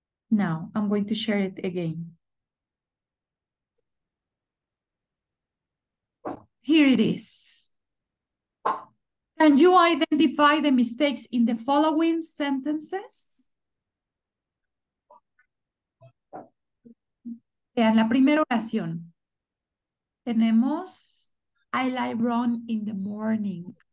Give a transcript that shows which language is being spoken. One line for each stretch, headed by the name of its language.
English: Now I'm going to share it again. Here it is. Can you identify the mistakes in the following sentences?
Spanish: Vean la primera oración. Tenemos,
English: I like run in the morning.